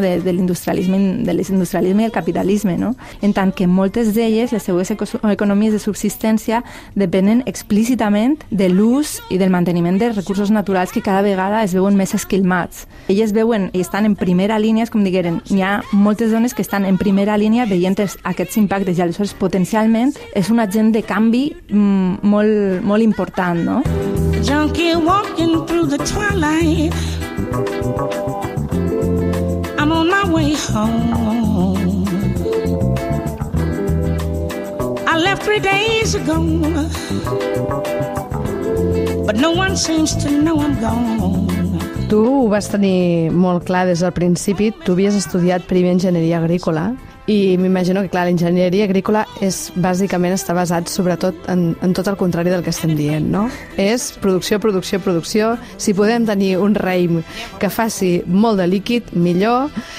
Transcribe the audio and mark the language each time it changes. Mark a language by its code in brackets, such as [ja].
[ca] De l'industrialisme, de l'industrialisme i el capitalisme, no? En tant que moltes d'elles, les seues economies de subsistència depenen explícitament de l'ús i del manteniment dels recursos naturals que cada vegada es veuen més esquilmats. Elles veuen i estan en primera línia, com digueren, hi ha moltes dones que estan en primera línia veient aquests impactes i aleshores potencialment és un agent de canvi molt, molt important, no? [en] Junkie walking through the twilight, I'm on my way home. I left 3 days ago, but no one seems to know I'm gone. [ca] Tu ho vas tenir molt clar des del principi, tu havies estudiat primer enginyeria agrícola i m'imagino que, clar, l'enginyeria agrícola és, bàsicament està basat sobretot en tot el contrari del que estem dient, no? És producció, producció, producció. Si podem tenir un raïm que faci molt de líquid, millor.